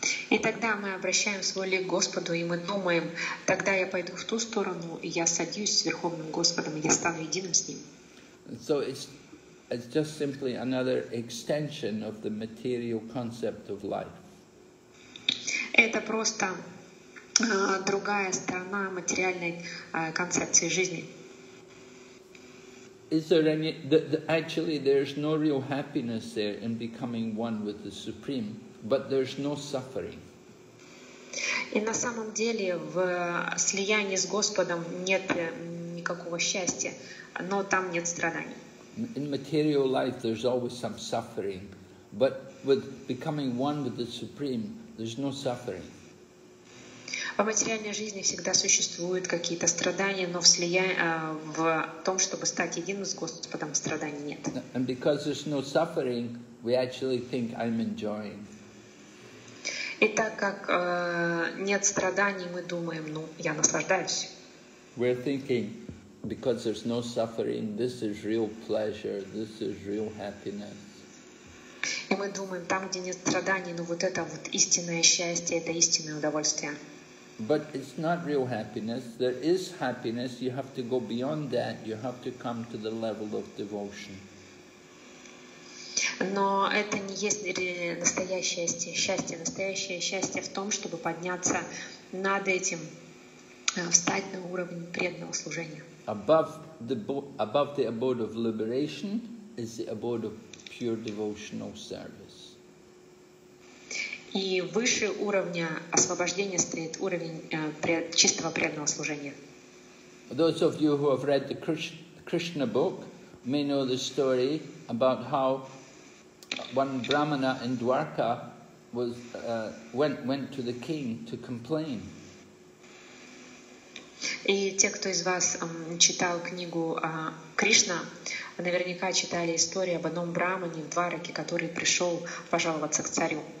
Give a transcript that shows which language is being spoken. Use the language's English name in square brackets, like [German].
[Russian] И тогда мы обращаем свой лик Господу, и мы думаем, тогда я пойду в ту сторону, и я садюсь с Верховным Господом, и я стану единым с Ним. [English] So it's just simply another extension of the material concept of life. [Russian] Это просто другая сторона материальной концепции жизни. [English] Is there any, actually there's no real happiness there in becoming one with the Supreme, but there's no suffering. [Russian] И на самом деле в слиянии с Господом нет никакого счастья, но там нет страданий. [English] In material life there's always some suffering, but with becoming one with the Supreme there's no suffering. [Russian] В материальной жизни всегда существуют какие-то страдания, но в том, чтобы стать единым с Господом, страданий нет. [English] And because there's no suffering, we actually think I'm enjoying. [Russian] И так как нет страданий, мы думаем, ну, я наслаждаюсь. [English] We're thinking, because there's no suffering, this is real pleasure, this is real happiness. [Russian] И мы думаем, там, где нет страданий, ну, вот это вот истинное счастье, это истинное удовольствие. [English] But it's not real happiness. There is happiness. You have to go beyond that. You have to come to the level of devotion. [Russian] Но это не есть настоящее счастье. Счастье, настоящее счастье в том, чтобы подняться над этим, встать на уровень преданного служения. [English] Above the abode of liberation is the abode of pure devotional service. [Russian] И выше уровня освобождения стоит уровень чистого преданного служения. [English] Those of you who have read the Krishna book may know the story about how one Brahmana in Dwarka was went to the king to complain. [Russian] И те, кто из вас читал книгу Кришна, наверняка читали историю об одном Брамане в Двараке, который пришел пожаловаться к царю.